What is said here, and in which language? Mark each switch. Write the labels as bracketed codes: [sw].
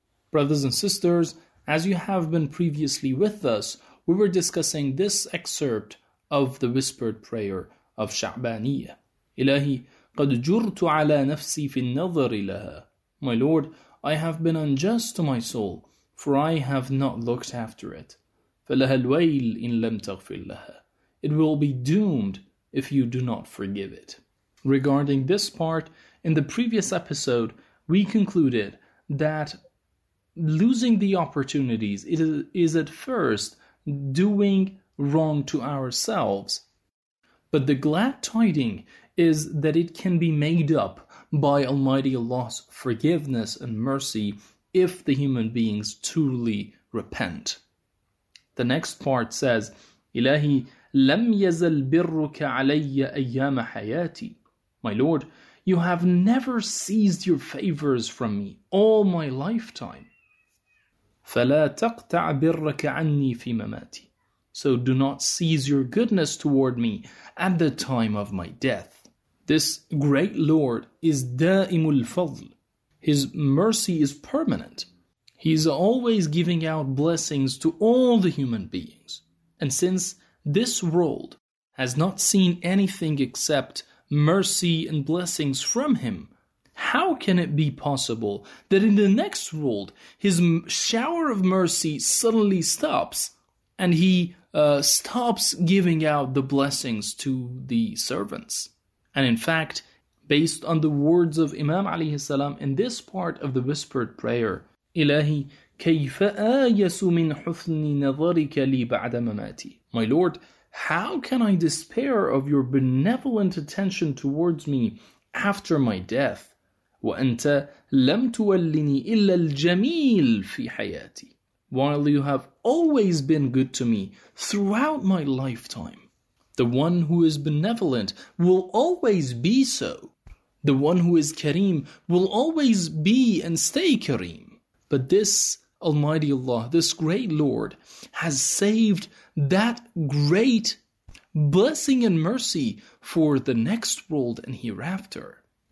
[en] Brothers and sisters, as you have been previously with us, we were discussing this excerpt of the whispered prayer of Sha'baniyya. [ar] إلهي قد جرت على نفسي في النظر لها. [en] My Lord, I have been unjust to my soul, for I have not looked after it. [ar] فَلَهَا الْوَيْلِ إِنْ لَمْ تَغْفِرْ لَهَا. [en] It will be doomed if you do not forgive it. Regarding this part, in the previous episode, we concluded that losing the opportunities is at first doing wrong to ourselves. But the glad tidings is that it can be made up by Almighty Allah's forgiveness and mercy if the human beings truly repent. The next part says, [ar] إلهي لم يزل برك علي أيام حياتي. [en] My Lord, you have never ceased your favors from me all my lifetime. [ar] فلا تقطع برك عني في مماتي. [en] So do not cease your goodness toward me at the time of my death. This great Lord is [ar] دائم الفضل. [en] His mercy is permanent. He is always giving out blessings to all the human beings. And since this world has not seen anything except mercy and blessings from him, how can it be possible that in the next world, his shower of mercy suddenly stops and he stops giving out the blessings to the servants? And in fact, based on the words of Imam alayhi salam in this part of the whispered prayer, [ar] إلهي كيف آيس من حسن نظرك لي بعد مماتي. [en] My Lord, how can I despair of your benevolent attention towards me after my death? [ar] وأنت لم تولني إلا الجميل في حياتي. [en] While you have always been good to me throughout my lifetime. The one who is benevolent will always be so. The one who is Kareem will always be and stay Kareem. But this Almighty Allah, this great Lord, has saved that great blessing and mercy for the next world and hereafter.